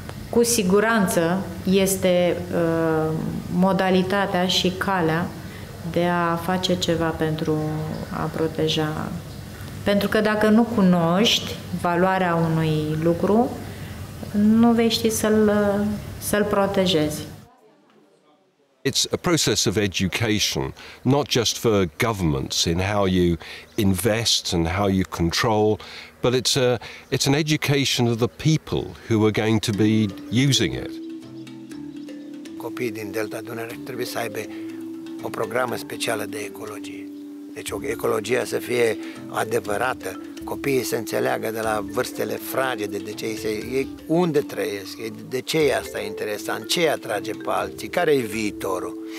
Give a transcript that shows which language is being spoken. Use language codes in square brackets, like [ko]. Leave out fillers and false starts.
[ro] Cu siguranță este modalitatea și calea de a face ceva pentru a proteja. Pentru că dacă nu cunoști valoarea unui lucru, nu vei ști să-l protejezi. [en] It's a process of education, not just for governments in how you invest and how you control, but it's an education of the people who are going to be using it. [ro] Copiii din Delta Dunăre trebuie să aibă o programă specială de ecologie. Deci o ecologie să fie adevărată. Copiii să înțeleagă de la vârstele fragede de ce ei unde trăiesc, de ce e asta interesant, ce atrage pe alții, care e viitorul.